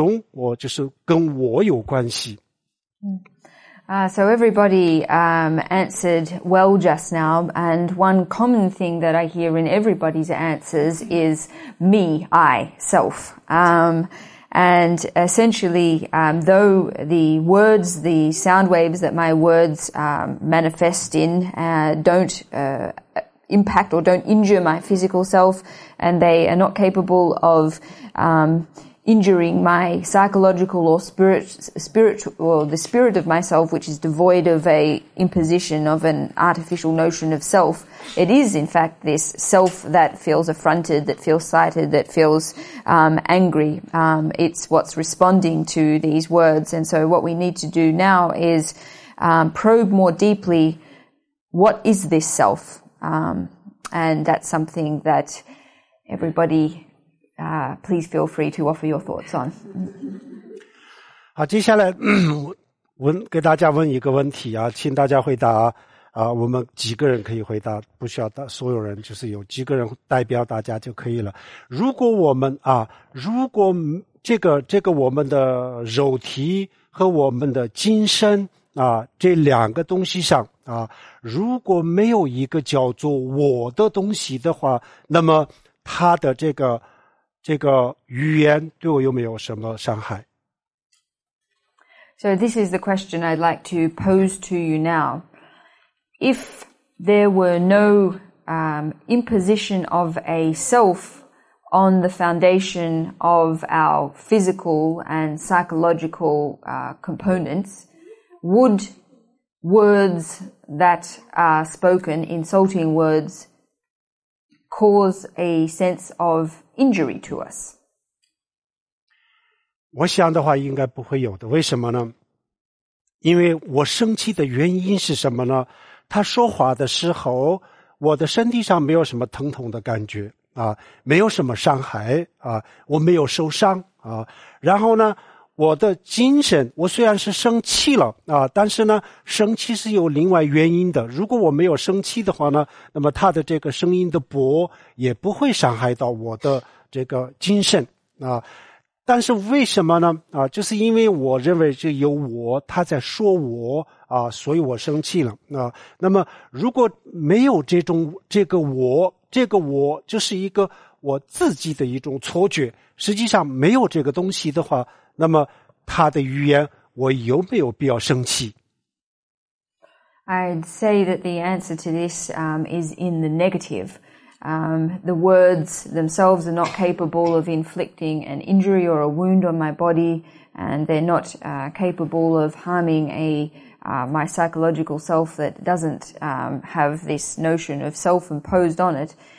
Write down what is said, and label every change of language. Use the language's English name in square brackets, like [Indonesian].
[Chinese] 我们要分析一下我是什么啊，这个大家表达一下什么叫做我啊，刚才你们的这个回答我们总结了以后呢，我都听出来了，我们每个人的这个语言当中就有一个这样一个字，有些人就说我，有些人就说自己啊，实际上就是一个意思啊，最终我就是跟我有关系。 [English] So everybody answered well just now, and one common thing that I hear in everybody's answers is me, I, self. And essentially, though the words, the sound waves that my words manifest in don't impact or don't injure my physical self, and they are not capable of injuring my psychological or spirit of myself, which is devoid of a imposition of an artificial notion of self. It is, in fact, this self that feels affronted, that feels slighted, that feels angry. It's what's responding to these words. And so what we need to do now is probe more deeply, what is this self? And that's something that everybody please feel free to offer your thoughts on. [Chinese] 好，接下来问给大家问一个问题啊，请大家回答啊，我们几个人可以回答，不需要所有人，就是有几个人代表大家就可以了。如果我们啊，如果这个我们的肉体和我们的精神啊，这两个东西上啊，如果没有一个叫做我的东西的话，那么他的这个语言对我有没有什么伤害？ [English] So this is the question I'd like to pose to you now. If there were no imposition of a self on the foundation of our physical and psychological components, would words that are spoken, insulting words, cause a sense of injury to us? [Chinese] 我想的话应该不会有的，为什么呢？因为我生气的原因是什么呢？他说话的时候，我的身体上没有什么疼痛的感觉啊，没有什么伤害啊，我没有受伤啊。然后呢，我的精神，我虽然是生气了啊，但是呢，生气是有另外原因的。如果我没有生气的话呢，那么他的这个声音的波也不会伤害到我的这个精神啊。但是为什么呢？啊，就是因为我认为这有我，他在说我啊，所以我生气了啊。那么如果没有这个我就是一个我自己的一种错觉，实际上没有这个东西的话，那么他的语言我有没有必要生气？ [English] I'd say that the answer to this is in the negative. The words themselves are not capable of inflicting an injury or a wound on my body, and they're not capable of harming my psychological self that doesn't have this notion of self imposed on it.